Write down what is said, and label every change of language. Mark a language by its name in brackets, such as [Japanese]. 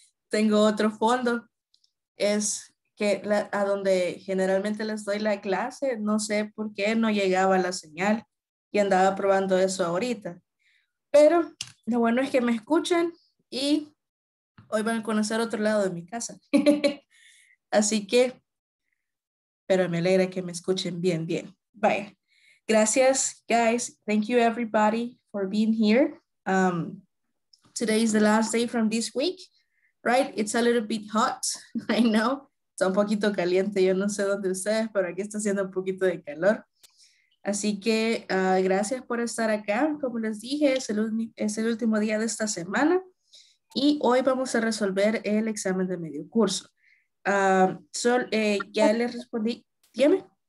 [Spanish] Tengo otro fondo. Es que a donde generalmente les doy la clase, no sé por qué no llegaba la señal y andaba probando eso ahorita. Pero lo bueno es que me escuchan y hoy van a conocer otro lado de mi casa. Así que. Pero me alegra que me escuchen bien, bien. Vaya. Gracias, [English] guys. Thank you, everybody, for being here. Today is the last day from this week, right? It's a little bit hot, I know. [Spanish] Está un poquito caliente. Yo no sé dónde ustedes, pero aquí está haciendo un poquito de calor. Así que gracias por estar acá. Como les dije, es el último día de esta semana. Y hoy vamos a resolver el examen de medio curso. Ya le respondí. Dígame.